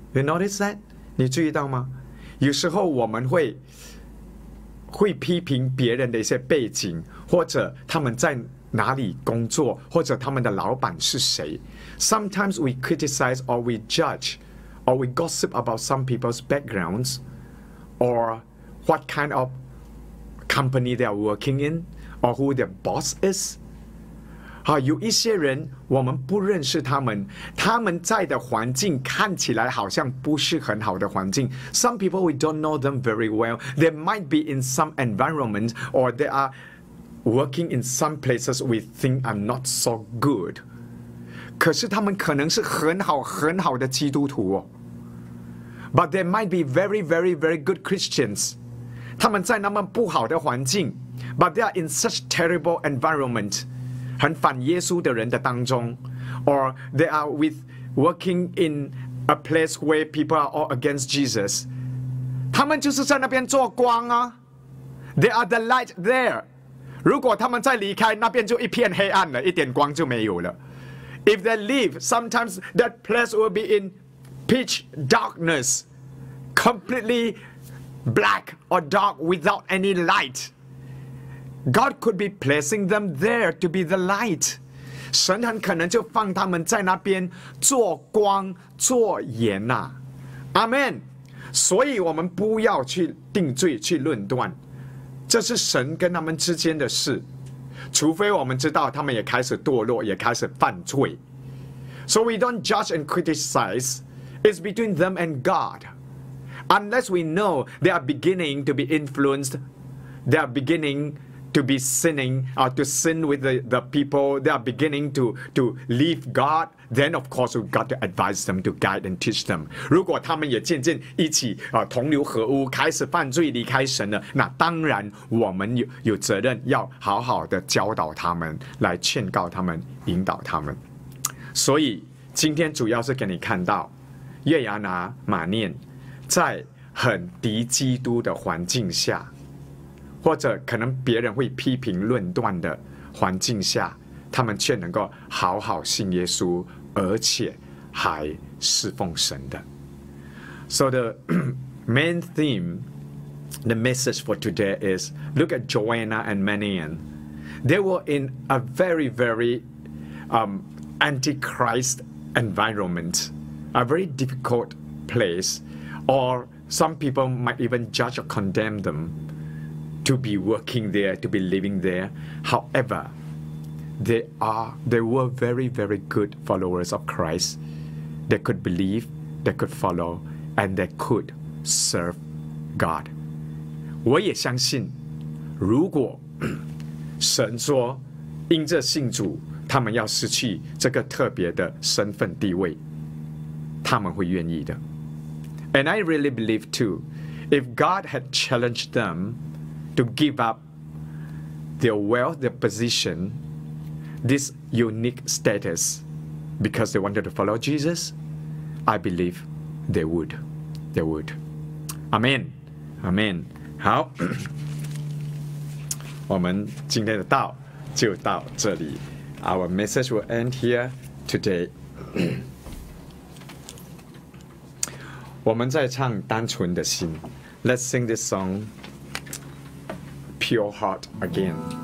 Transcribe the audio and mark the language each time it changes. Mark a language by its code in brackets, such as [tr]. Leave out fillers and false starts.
[en] You notice that? [zh] 你注意到吗？有时候我们会批评别人的一些背景，或者他们在哪里工作，或者他们的老板是谁。 [en] Sometimes we criticize or we judge or we gossip about some people's backgrounds. Or what kind of company they are working in, or who their boss is. [zh] 好，有一些人我们不认识他们，他们在的环境看起来好像不是很好的环境。 [en] Some people we don't know them very well. They might be in some environment, or they are working in some places we think are not so good. [zh] 可是他们可能是很好很好的基督徒哦。 [en] But they might be very, very, very good Christians. [zh] 他们在那么不好的环境 [en] but they are in such terrible environment, [zh] 很反耶稣的人的当中 [en] or they are with working in a place where people are all against Jesus. [zh] 他们就是在那边做光啊 [en] They are the light there. [zh] 如果他们再离开，那边就一片黑暗了，一点光就没有了。 [en] If they leave, sometimes that place will be in. Pitch darkness, completely black or dark without any light. God could be placing them there to be the light. [zh] 神很可能就放他们在那边做光做盐啊。 [en] Amen. [zh] 所以我们不要去定罪去论断，这是神跟他们之间的事。除非我们知道他们也开始堕落，也开始犯罪。 [en] So we don't judge and criticize. It's between them and God. Unless we know they are beginning to be influenced, they are beginning to be sinning, or to sin with the people, they are beginning to leave God, then of course we've got to advise them, to guide and teach them. [zh] 如果他们也渐渐一起同流合污，开始犯罪离开神了，那当然我们有责任要好好的教导他们，来劝告他们，引导他们。所以今天主要是给你看到耶亚拿、马念，在很敌基督的环境下，或者可能别人会批评论断的环境下，他们却能够好好信耶稣，而且还侍奉神的。 [en] So the main theme, the message for today is, look at Joanna and Manian. They were in a very, very antichrist environment, a very difficult place, or some people might even judge or condemn them to be working there, to be living there. However, they were very, very good followers of Christ. They could believe, they could follow, and they could serve God. [zh] 我也相信，如果神说因着信主，他们要失去这个特别的身份地位，他们会愿意的。 [en] And I really believe too, if God had challenged them to give up their wealth, their position, this unique status, because they wanted to follow Jesus, I believe they would. They would. Amen. Amen. [zh] 好，我们今天的道就到这里。 [en] Our message will end here today. [zh] 我们在唱单纯的心。 [en] Let's sing this song, Pure Heart Again.